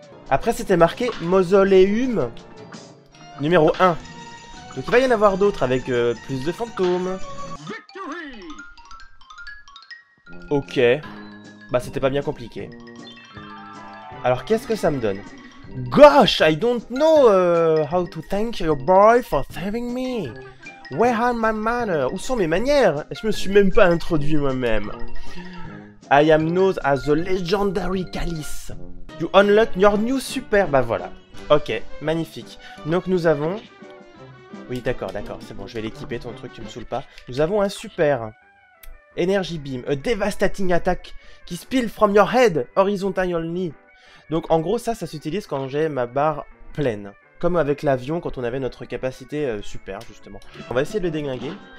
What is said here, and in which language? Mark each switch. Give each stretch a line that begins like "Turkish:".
French: Après, c'était marqué mausoléum numéro 1. Donc, il va y en avoir d'autres avec plus de fantômes. Ok. Bah, c'était pas bien compliqué. Alors, qu'est-ce que ça me donne?
English: Gosh, I don't know how to thank your boy for saving me. Where are my manners?
French: Où sont mes manières? Je me suis même pas introduit moi-même.
English: I am known as the legendary Calice. You unlock your new super.
French: Bah voilà. Ok, magnifique. Donc nous avons... Oui, d'accord, d'accord. C'est bon, je vais l'équiper ton truc, tu me saoules pas. Nous avons un super.
English: Energy beam. A devastating attack. Qui spill from your head. Horizontally only.
French: Donc en gros, ça s'utilise quand j'ai ma barre pleine. Comme avec l'avion, quand on avait notre capacité super, justement. On va essayer de le déglinguer.